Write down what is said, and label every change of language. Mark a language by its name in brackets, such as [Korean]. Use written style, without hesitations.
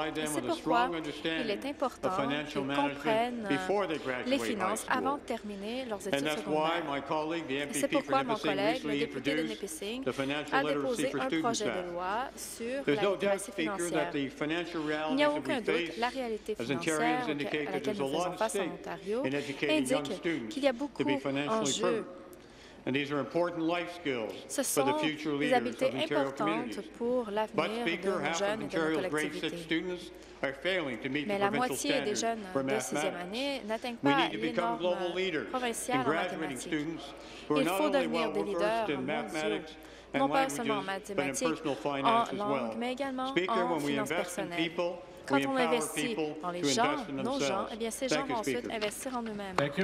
[French] Et c'est pourquoi il est important qu'ils comprennent les finances avant de terminer leurs études secondaires. Et c'est pourquoi mon collègue, le député de Nipissing, a déposé un projet de loi sur la littératie financière. Il n'y a aucun doute, la réalité financière à laquelle nous faisons face en Ontario indique qu'il y a beaucoup d'enjeux. [English] And these are important life skills for the future leaders of the Ontario community. But, Speaker, half of Ontario's grade 6 students are failing to meet the provincial standards for mathematics. We need to become global leaders in graduating students who are not only well-versed in mathematics, [French] non pas seulement en mathématiques, en langue, mais également en finances personnelles. Quand on investit dans les gens, nos gens, eh bien ces gens vont ensuite investir en eux-mêmes.